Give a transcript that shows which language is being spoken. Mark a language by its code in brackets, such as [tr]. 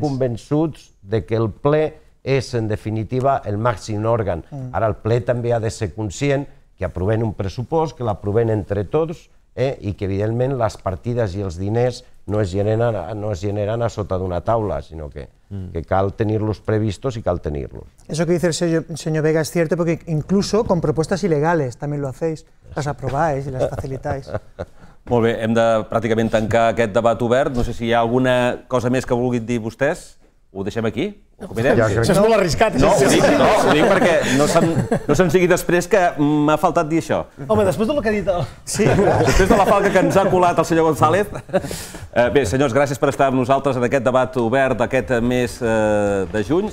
[ca] convençuts de que el ple és, en definitiva, el màxim òrgan. Ara, el ple també ha de ser conscient que aprovem un pressupost, que l'aprovem entre tots, i que, evidentment, les partides i els diners no es generen, no es generen a sota d'una taula, sinó que cal tenir-los previstos i cal tenir-los. [es] Eso que dice el señor Vega es cierto, porque incluso con propuestas ilegales también lo hacéis, las aprobáis y las facilitáis. [ca] Molt bé, hem de pràcticament tancar aquest debat obert. No sé si hi ha alguna cosa més que vulguin dir vostès. Ho deixem aquí? Ho comidem? Ja, això és molt arriscat. No, ho dic, no, ho dic perquè no se'n sigui després que m'ha faltat dir això. Home, després del que ha dit... Sí. Després de la falca que ens ha colat el senyor González. Bé, senyors, gràcies per estar amb nosaltres en aquest debat obert d'aquest mes de juny.